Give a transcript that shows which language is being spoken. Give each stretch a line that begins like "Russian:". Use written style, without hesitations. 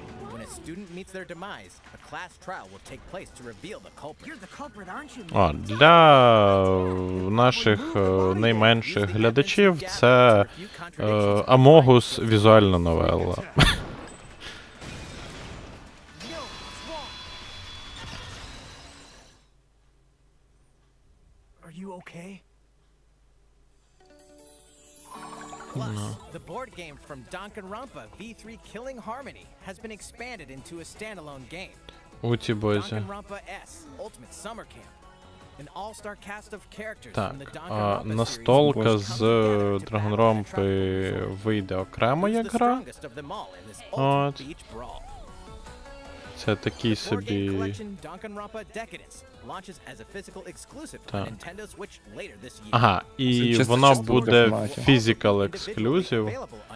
English: When a student meets their demise, a class trial will take place to reveal the culprit. You're the culprit, aren't you?
Ukrainian: О, для наших найменших глядачів це Among Us візуальна новела.
English: Are you okay? The board game from Danganronpa V3 Killing Harmony has been expanded into a standalone game.
Ukrainian: Ути бойзе. Danganronpa S Ultimate Summer Camp.
English: An all-star cast of characters from the Danganronpa series.
Ukrainian: Так, настолка з Данганронпи вийде окремо як гра. От. Це такий собі Danganronpa Decadence.
English: Launches as a physical exclusive on Nintendo Switch later this year.
Ukrainian: Ага, і воно буде
English: physical exclusive.